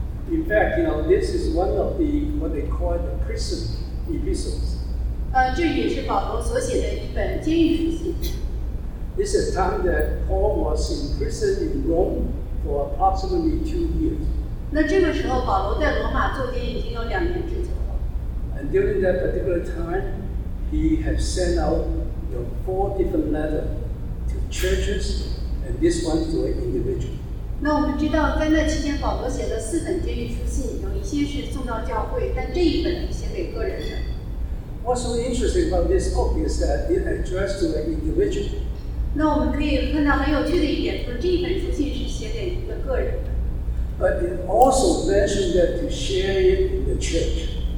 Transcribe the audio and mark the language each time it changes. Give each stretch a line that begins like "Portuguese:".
English: In fact, you know, this is one of the, what they call the prison epistles. This is a time that Paul was in prison in Rome for approximately 2 years.
Chinese: 那这个时候，保罗在罗马坐监已经有两年之久了。
English: And during that particular time, he had sent out four different letters to churches, and this one to an individual.
Chinese: 那我们知道，在那期间，保罗写了四本监狱书信，有一些是送到教会，但这一本写给个人的。
English: What's so interesting about this book is that it addressed to an individual.
Chinese: 那我们可以看到很有趣的一点，说这一本书信是写给一个个人。
English: But it also mentioned that to share it in the church.